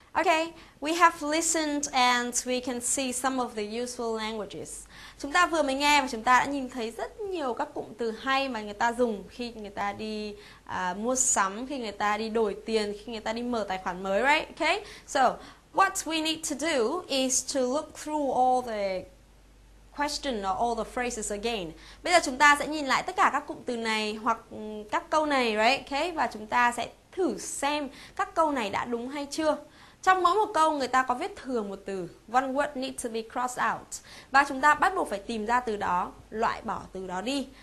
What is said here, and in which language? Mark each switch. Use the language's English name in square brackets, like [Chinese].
[English] Okay, we have listened and we can see some of the useful languages. [Vietnamese] Chúng ta vừa mới nghe và chúng ta đã nhìn thấy rất nhiều các cụm từ hay mà người ta dùng khi người ta đi mua sắm, khi người ta đi đổi tiền, khi người ta đi mở tài khoản mới, right? [English] Okay, so what we need to do is to look through all the question or all the phrases again. [Vietnamese] Bây giờ chúng ta sẽ nhìn lại tất cả các cụm từ này hoặc các câu này, right? Okay, và chúng ta sẽ thử xem các câu này đã đúng hay chưa. Trong mỗi một câu người ta có viết thừa một từ, [English] one word need to be crossed out. [Vietnamese] Và chúng ta bắt buộc phải tìm ra từ đó, loại bỏ từ đó đi.